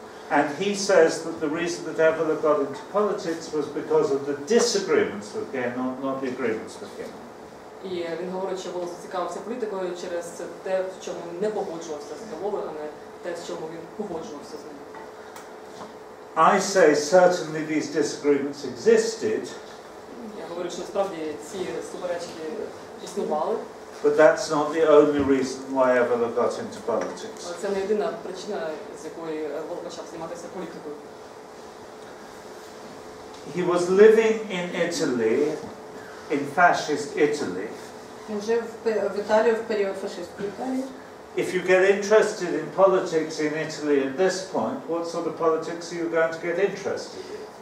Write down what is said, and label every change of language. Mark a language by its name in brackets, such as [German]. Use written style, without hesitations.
[English] And he says that the reason that Evola got into politics was because of the disagreements with Genon, not the agreements with Genon. [Ukrainian] І він говорить, що Евола зацікавився політикою через те, в чому не погоджувався з Еволою, а не те, в чому він погоджувався з ним. [English] I say certainly these disagreements existed. [Ukrainian] Я говорю, що справді ці суперечки існували. [English] But that's not the only reason why Evola got into politics. [Ukrainian] Це не єдина причина, з якої Евола почав займатися політикою. [English] He was living in Italy, in fascist Italy. [Ukrainian] Він жив в Італії в період фашистської Італії. [English] If you get interested in politics in Italy at this point, what sort of politics are you going to get interested in?